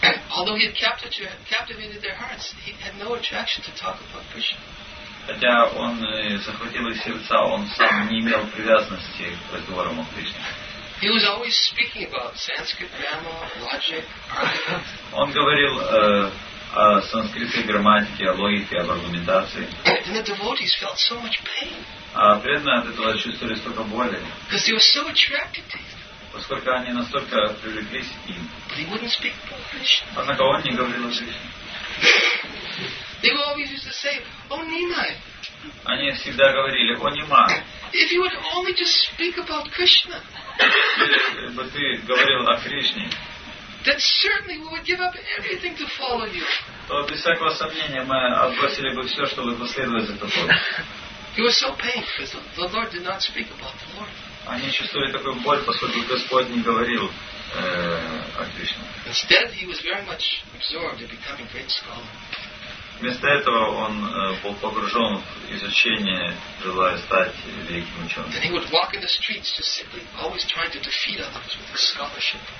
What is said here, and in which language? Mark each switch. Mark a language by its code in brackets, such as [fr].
[en] Although he had captivated their hearts, he had no attraction to talk about Krishna. [ru] Хотя он захватил их сердца, он сам не имел привязанности к разговорам о Кришне. [en] He was always speaking about Sanskrit grammar, logic, argument. [ru] Он говорил о санскритской грамматике, о логике, об аргументации. [en] And the devotees felt so much pain. [ru] А преданные от этого чувствовали столько боли. [en] Because they were so attracted to him. [ru] Поскольку они настолько привлеклись им. [en] But he wouldn't speak about Krishna. [ru] Однако он не говорил о Кришне. [en] They would always used to say, "Oh, Nimai." [ru] Они всегда говорили, "О, Нимай." [en] If you would only just speak about Krishna. [ru] Если бы ты говорил о Кришне. [en] Then certainly we would give up everything to follow you. [ru] То без всякого сомнения мы отбросили бы все, чтобы последовать за тобой. [en] He was so pained because the Lord did not speak about the Lord. [ru] Они чувствовали такую боль, поскольку Господь не говорил о Кришне. [en] Instead, he was very much absorbed in becoming a great scholar. [ru] Вместо этого он был погружен в изучение, желая стать великим ученым. [en] Then he would walk in the streets, just simply always trying to defeat others with his scholarship.